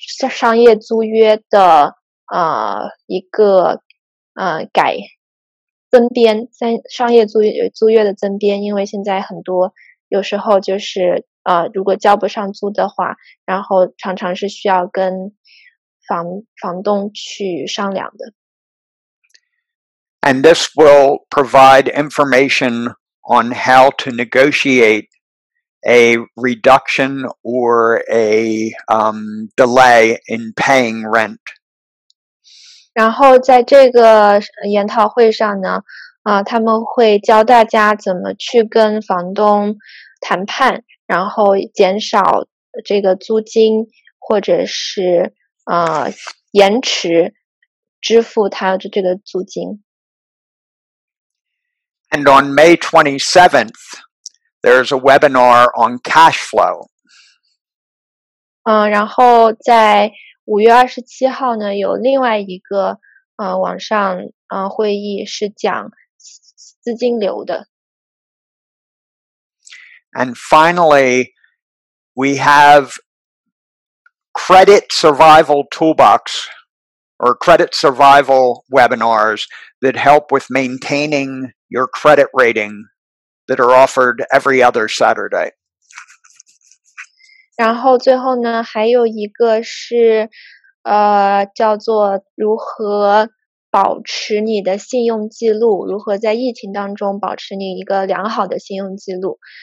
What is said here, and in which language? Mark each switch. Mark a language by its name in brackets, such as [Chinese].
[Chinese] 商业租约的一个改增编，商业租约的增编，因为现在很多有时候就是如果交不上租的话，然后常常是需要跟房东去商量的。 [English] And this will provide information on how to negotiate a reduction or a delay in paying rent. [Chinese] 然后在这个研讨会上呢，他们会教大家怎么去跟房东谈判，然后减少这个租金，或者是延迟支付他的这个租金。 [English] And on May 27th, there's a webinar on cash flow. [Chinese] 然后在5月27号呢，有另外一个网上会议是讲资金流的。 [English] And finally, we have credit survival toolbox or credit survival webinars that help with maintaining your credit rating that are offered every other Saturday. [Chinese] 然后最后呢，还有一个是叫做如何保持你的信用记录，如何在疫情当中保持你一个良好的信用记录。